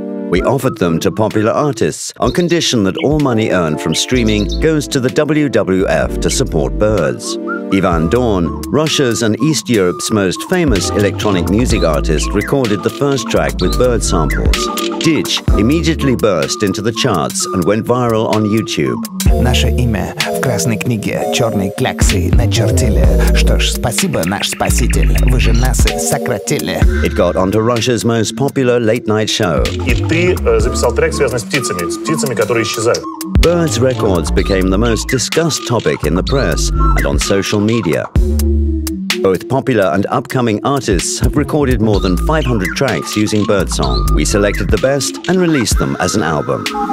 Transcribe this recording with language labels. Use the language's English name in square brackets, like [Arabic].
[English] We offered them to popular artists on condition that all money earned from streaming goes to the WWF to support birds. Ivan Dorn, Russia's and East Europe's most famous electronic music artist, recorded the first track with bird samples. Ditch immediately burst into the charts and went viral on YouTube. [Russian] Наше имя в красной книге, черной кляксы начертили. Что ж, спасибо, наш спаситель, вы же нас сократили. [English] It got onto Russia's most popular late-night show. [Russian] И ты записал трек, связанный с птицами, которые исчезают. [English] Birds Records became the most discussed topic in the press and on social media. Both popular and upcoming artists have recorded more than 500 tracks using birdsong. We selected the best and released them as an album.